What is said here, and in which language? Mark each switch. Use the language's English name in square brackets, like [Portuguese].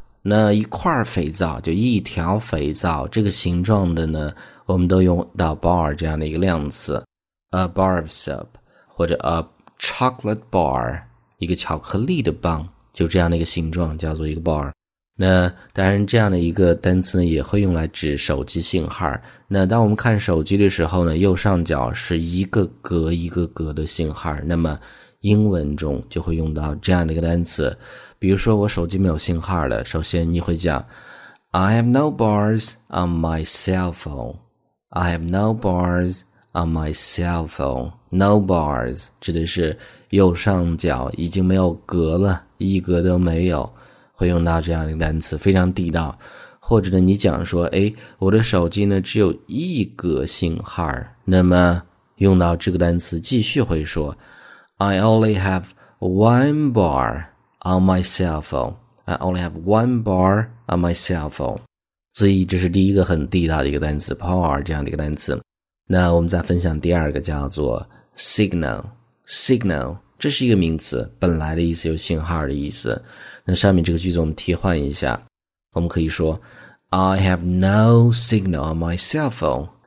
[Chinese] 那一块肥皂，就一条肥皂，这个形状的呢，我们都用到 bar 这样的一个量词， [English] a bar of soap [Chinese] 或者 [English] a chocolate bar， [Chinese] 一个巧克力的棒，就这样的一个形状叫做一个 bar。那当然，这样的一个单词呢，也会用来指手机信号。那当我们看手机的时候呢，右上角是一个格一个格的信号，那么英文中就会用到这样的一个单词。比如说，我手机没有信号了。首先，你会讲 [English] "I have no bars on my cell phone." "I have no bars on my cell phone." [Chinese] "No bars" 指的是右上角已经没有格了，一格都没有，会用到这样一个单词，非常地道。或者呢，你讲说："哎，我的手机呢只有一格信号。" 那么用到这个单词，继续会说 [English] "I only have one bar." On my cell phone, I only have one bar on my cell phone。 [Chinese] 所以这是第一个很地道的一个单词 ，bar 这样的一个单词。那我们再分享第二个，叫做 signal。这是一个名词，本来的意思就是信号的意思。那上面这个句子我们替换一下，我们可以说 [English] I have no signal on my cell phone.